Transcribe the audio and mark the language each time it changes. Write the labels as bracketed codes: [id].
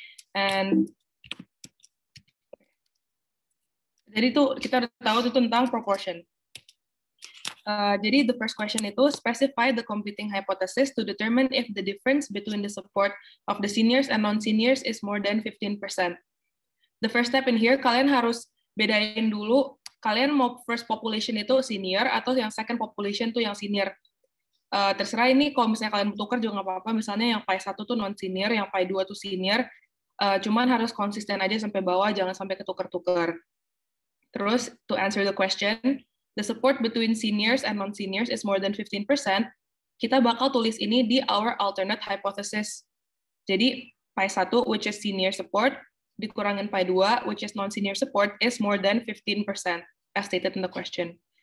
[id] And jadi itu kita tahu itu tentang proportion. Jadi [en] the first question itu specify the competing hypothesis to determine if the difference between the support of the seniors and non-seniors is more than 15%. The first step in here, [id] kalian harus bedain dulu kalian mau first population itu senior atau yang second population itu yang senior. Terserah ini kalau misalnya kalian tukar juga nggak apa-apa, misalnya yang pi 1 itu non-senior, yang pi 2 itu senior, cuman harus konsisten aja sampai bawah, jangan sampai ketukar-tukar. Terus, [en] to answer the question, the support between seniors and non-seniors is more than 15%, [id] kita bakal tulis ini di [en] our alternate hypothesis. Jadi, pi 1, which is senior support, dikurangin pi 2, which is non-senior support, is more than 15%, as stated in the question.